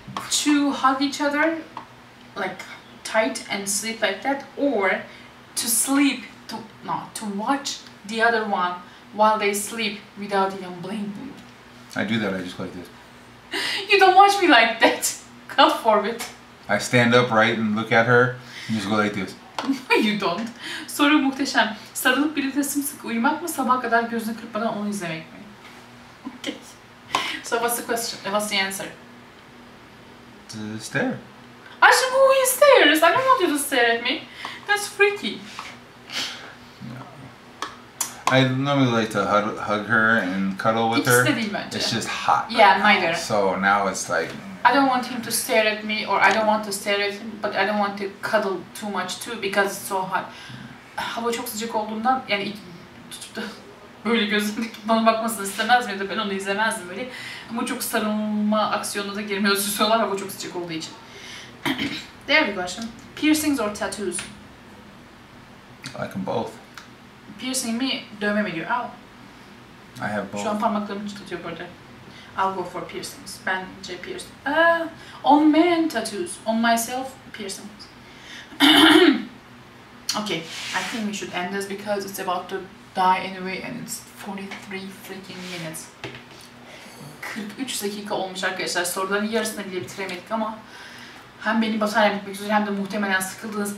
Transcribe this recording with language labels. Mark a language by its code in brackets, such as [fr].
[en] To hug each other, like, tight and sleep like that, or to sleep, to watch the other one while they sleep without even blinking. I do that, I just go like this. You don't watch me like that. Go for it. I stand up right and look at her and just go like this. No, you don't. [tr] Soru muhteşem. Sarılıp birlikte sımsıkı uyumak mı, sabaha kadar gözünü kırpmadan onu izlemek mi? [en] Okay. So what's the question? What's the answer? To stare. Actually, who he stares? I don't want you to stare at me. That's freaky. I normally like to hug her and cuddle with her. It's just hot. Yeah, right now. Neither. So now it's like, I don't want him to stare at me, or I don't want to stare at him, but I don't want to cuddle too much too because it's so hot. [tr] Hava çok sıcak olduğundan yani tutup da böyle gözündeki bana bakmasını istemez miydi? Ben onu izlemezdim böyle. Ama çok sarılma aksiyonuna da girmiyor sorular hava çok sıcak olduğu için. [en] There we go. Piercings or tattoos? I like them both. [tr] Piercing me, dövme mi diyor? Al. [en] I have both. [tr] Şu an parmaklarımı tutuyor burada. [en] I'll go for piercings. Ben J pierced. On men tattoos. On myself, piercings. Okay, I think we should end this because it's about to die anyway and it's 43 freaking minutes. [tr] 43 dakika olmuş arkadaşlar. Soruların yarısını bile bitiremedik ama hem beni batarya bitmek üzere hem de muhtemelen sıkıldınız.